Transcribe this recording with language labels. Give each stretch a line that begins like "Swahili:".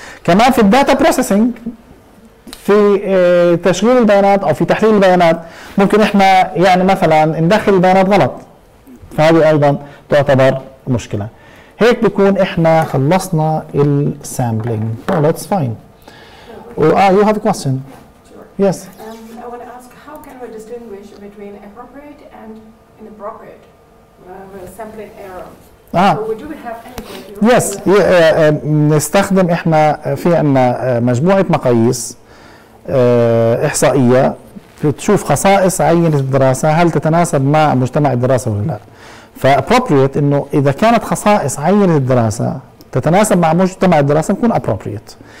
Arabic: كمان في الداتا بروسيسنج في تشغيل البيانات او في تحليل البيانات ممكن احنا يعني مثلا ندخل البيانات غلط، فهذه ايضا تعتبر مشكلة. هيك بكون احنا خلصنا السامبلينج.
English: Oh, that's fine. You have a question. Sure. Yes. I want to ask how can we distinguish between appropriate and inappropriate sampling error? Ah. So do we have anything? Yes.
Arabic: نستخدم احنا في عنا مجموعة مقاييس احصائية بتشوف خصائص عينة الدراسة هل تتناسب مع مجتمع الدراسة ولا لا. فابروبريت انه اذا كانت خصائص عينة الدراسة تتناسب مع مجتمع الدراسة بكون ابروبريت.